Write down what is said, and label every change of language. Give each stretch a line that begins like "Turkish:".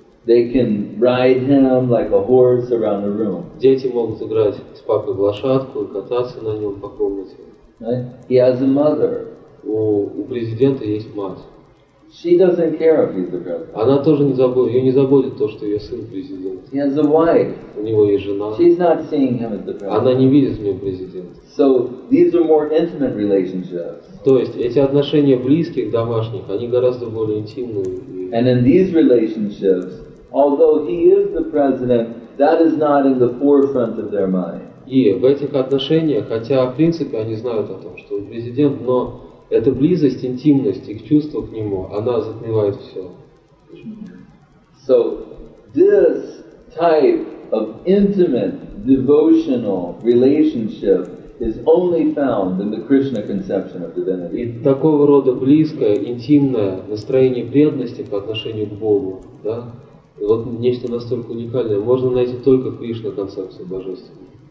English: They can ride him like a horse around the room.
Russian: Дети могут играть с папой в лошадку и кататься на нем по комнате.
English: Right? He has a mother.
Russian: У президента есть мать.
English: She doesn't care if he's the president.
Russian: Она тоже не заботит, ее не заботит то, что ее сын президент.
English: He has a wife.
Russian: У него есть жена.
English: She's not seeing him as the president.
Russian: Она не видит в нем президента.
English: So these are more intimate relationships.
Russian: То есть эти отношения близких, домашних, они гораздо более интимные.
English: And in these relationships, although he is the president, that is not in the forefront of their mind.
Russian: И в этих отношениях, хотя в принципе они знают о том, что он президент, но эта близость, интимность, их чувство к нему, она затмевает все.
English: So this type of intimate devotional relationship is only found in the Krishna conception of divinity.
Russian: И такого рода близкое, интимное настроение преданности по отношению к Богу, да, вот нечто настолько уникальное, можно найти только в Кришна концепции божественной.